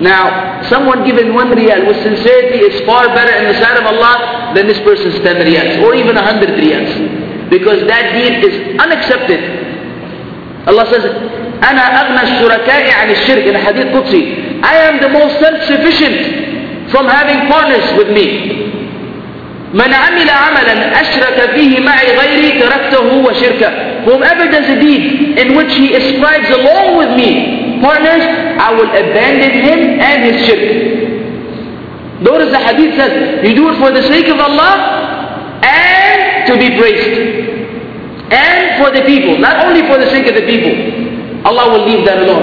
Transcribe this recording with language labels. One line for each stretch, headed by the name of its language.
English: Now, someone giving 1 riyal with sincerity is far better in the sight of Allah than this person's 10 riyals or even 100 riyals. Because that deed is unaccepted. Allah says,
Arabic: أنا أغنى الشركاء عن الشرك
English: in a hadith Qudsi. I am the most self-sufficient from having partners with me.
Arabic: من عمل عملا أشرك فيه معي غيري تركته وشركة.
English: Whomever does a deed in which he ascribes along with me partners, I will abandon him and his shirk. Notice the hadith says, you do it for the sake of Allah and to be praised. And for the people, not only for the sake of the people. Allah will leave that alone.